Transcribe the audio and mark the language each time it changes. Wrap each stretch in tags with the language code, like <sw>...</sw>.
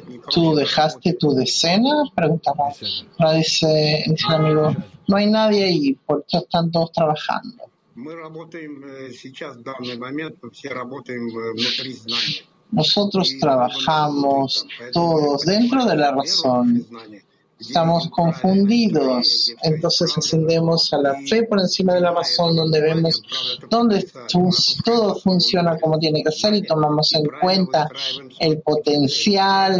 <es>¿Tú dejaste tu decena? Preguntaba. Ahora dice ese amigo, no hay nadie ahí, por eso están todos trabajando.</es> <ru>Мы работаем сейчас, в данный момент, все работаем внутри знания.</ru> <es>Nosotros trabajamos todos dentro de la razón. Estamos confundidos. Entonces ascendemos a la fe por encima de la razón, donde vemos dónde todo funciona como tiene que ser y tomamos en cuenta el potencial.</es>